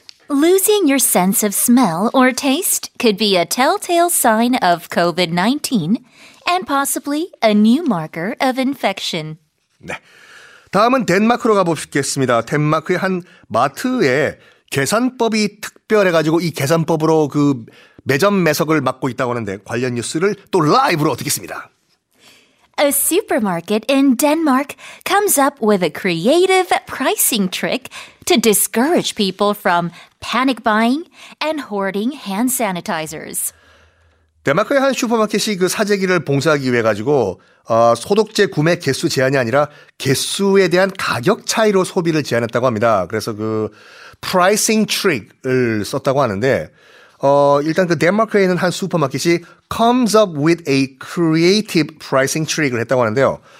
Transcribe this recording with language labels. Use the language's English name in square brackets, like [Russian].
[English] Losing your sense of smell or taste could be a telltale sign of COVID-19 and possibly a new marker of infection. [Korean] 네. 다음은 덴마크로 가보겠습니다. 덴마크의 한 마트에 계산법이 특별해가지고 이 계산법으로 그 매점 매석을 막고 있다고 하는데 관련 뉴스를 또 라이브로 듣겠습니다. [English] A supermarket in Denmark comes up with a creative pricing trick to discourage people from panic buying and hoarding hand sanitizers. [Korean] 덴마크의 한 슈퍼마켓이 그 사재기를 봉사하기 위해 가지고 소독제 구매 개수 제한이 아니라 개수에 대한 가격 차이로 소비를 제한했다고 합니다. 그래서 그 프라이싱 트릭을 썼다고 하는데 일단 그 덴마크에 있는 한 슈퍼마켓이 comes up with a creative pricing trick 을 했다고 하는데요.